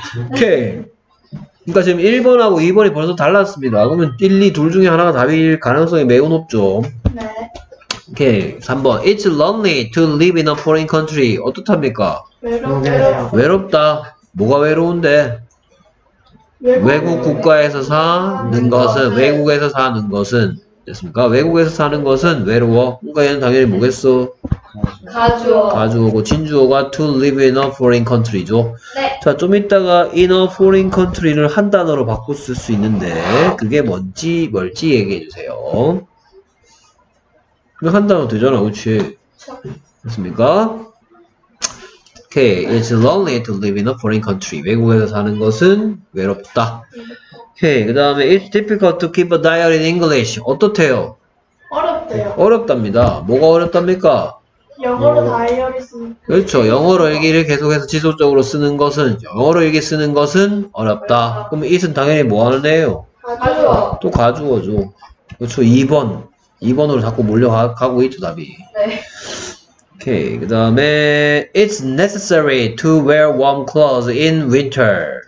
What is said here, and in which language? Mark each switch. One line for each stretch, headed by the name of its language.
Korean: 오케이. 그니까 지금 1번하고 2번이 벌써 달랐습니다. 그러면 1, 2, 둘 중에 하나가 답일 가능성이 매우 높죠. 네. 오케이. 3번.
English: It's lonely to live in a foreign country.
Korean: 어떻합니까? 외롭다. 뭐가 외로운데? 외국 국가에서 사는 것은, 외국에서 사는 것은, 됐습니까? 외국에서 사는 것은 외로워. 그러니까 얘는 당연히 뭐겠어? 가주어고 진주어가
English: to live in a foreign country
Korean: 죠. 네. 자, 좀 이따가
English: in a foreign country
Korean: 를 한 단어로 바꿔 쓸 수 있는데 그게 뭔지 뭘지 얘기해 주세요. 그럼 한 단어 되잖아, 그렇지? 맞습니까?
English: Okay, it's lonely to live in a foreign country.
Korean: 외국에서 사는 것은 외롭다.
English: Okay,
Korean: 그 다음에
English: it's difficult to keep a diary in English.
Korean: 어떻대요? 어렵대요. 어렵답니다. 뭐가 어렵답니까? 영어로 다이어리 쓰는. 그렇죠. 영어로 일기를 계속해서 지속적으로 쓰는 것은, 영어로 일기 쓰는 것은 어렵다. 어렵다. 그럼 it은 당연히 뭐 하는데요? 가주어. 또 가주어죠. 그렇죠. 2번. 2번으로 자꾸 몰려가고 있죠, 답이. 네. 오케이. 그 다음에,
English: it's necessary to wear warm clothes in winter.